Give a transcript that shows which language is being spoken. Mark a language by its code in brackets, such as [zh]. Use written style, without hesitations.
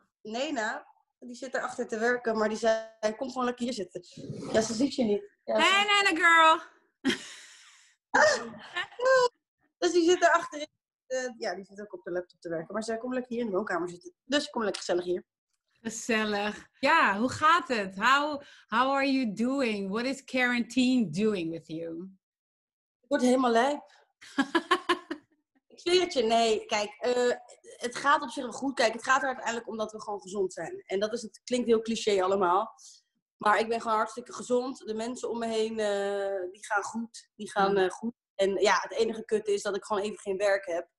[nl] Nena, die zit erachter te werken, maar die zei, kom gewoon lekker hier zitten. Ja, ze ziet je niet. Ja, hey, Nena girl. Dus die zit erachter. Ja, die zit ook op de laptop te werken, maar zei, kom lekker hier in de woonkamer zitten. Dus kom lekker gezellig hier. Gezellig. Ja, hoe gaat het? [en] How are you doing? What is quarantine doing with you? [nl] Ik word helemaal lijp. Kleertje, nee, kijk, het gaat op zich wel goed. Kijk, het gaat er uiteindelijk om dat we gewoon gezond zijn. En dat is, het klinkt heel cliché allemaal. Maar ik ben gewoon hartstikke gezond. De mensen om me heen, die gaan goed. Die gaan goed. En ja, het enige kutte is dat ik gewoon even geen werk heb.